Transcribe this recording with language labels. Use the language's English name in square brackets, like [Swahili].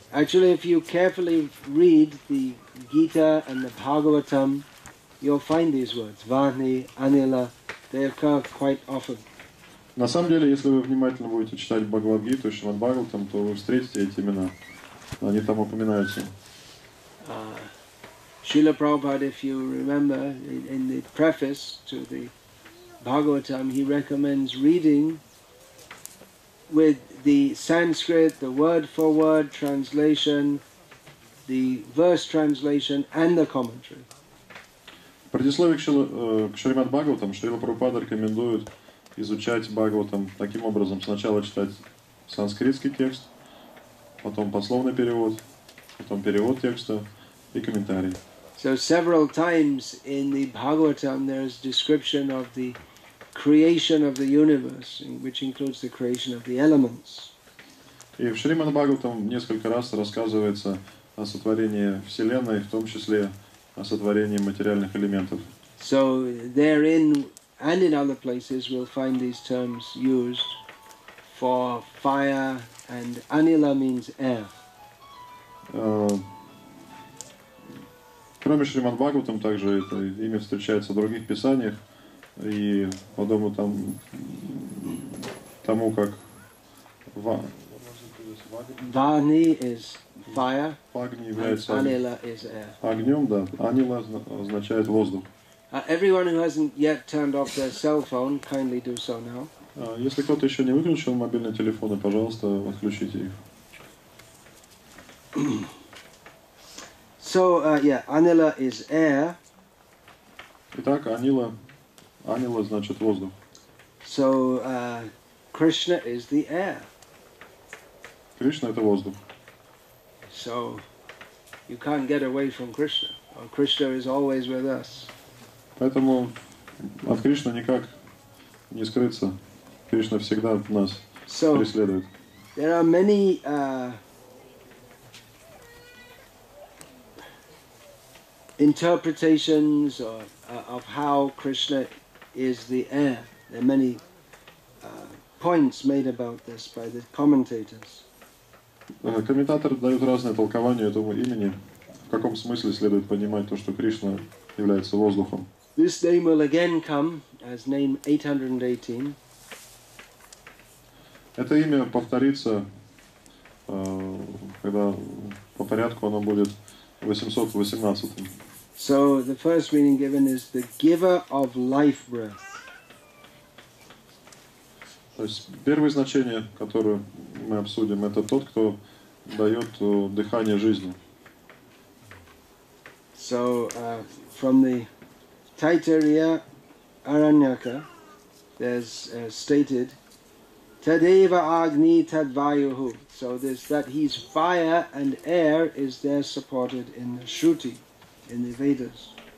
[English] Actually, if you carefully read the Gita and the Bhagavatam, you'll find these words, vani, anila, they occur quite often. [Russian] На самом деле, если вы внимательно будете читать Бхагавад-гиту, Шримад Бхагаватам, то вы встретите эти имена. Они там упоминаются. [English] Шрила Прабхупада, if you remember, in the preface to the Bhagavatam, he recommends reading with the Sanskrit, the word-for-word translation, the verse translation, and the commentary. [Russian] В предисловии к Шримад Бхагаватам Шрила Прабхупада рекомендует изучать Бхагаватам таким образом. Сначала читать санскритский текст, потом пословный перевод, потом перевод текста и комментарий. [English] So several times in the Bhagavatam there is description of the creation of the universe, which includes the creation of the elements. [Russian] И в Шримад Бхагаватам несколько раз рассказывается о сотворении Вселенной, в том числе о сотворении материальных элементов. [English] So therein and in other places we'll find these terms used for fire, and anila means air. [Russian] Кроме Шримад Бхагаватам, также это имя встречается в других писаниях, и подобно там тому, как [English] Vani is fire, [Russian] Agni является [English] anila is air. [Russian] Огнем, да. Anila означает воздух. [English] Everyone who hasn't yet turned off their cell phone, kindly do so now. [Russian] Если кто-то еще не выключил мобильные телефоны, пожалуйста, отключите их. [English] So, anila is air. [Russian] Итак, anila значит воздух. [English] So, Krishna is the air. [Russian] Кришна — это воздух. [English] So, you can't get away from Krishna. Or Krishna is always with us. [Russian] Поэтому от Кришны никак не скрыться. Кришна всегда нас преследует. [English] There are many interpretations of how Krishna is the air. There are many points made about this by the commentators. [Russian] Комментаторы дают разные толкования этому имени. В каком смысле следует понимать то, что Кришна является воздухом? [English] This name will again come as name 818. [Russian] Это имя повторится, когда по порядку оно будет 818. [English] So the first meaning given is the giver of life breath. [Russian] То есть первое значение, которое мы обсудим, это тот, кто дает дыхание жизни. [English] So from the Taittiriya Aranyaka, there's stated, [Sanskrit] Tadeva Agni Tadvayuhu. [English] So this, that he's fire and air, is there supported in the Shruti, in the Vedas.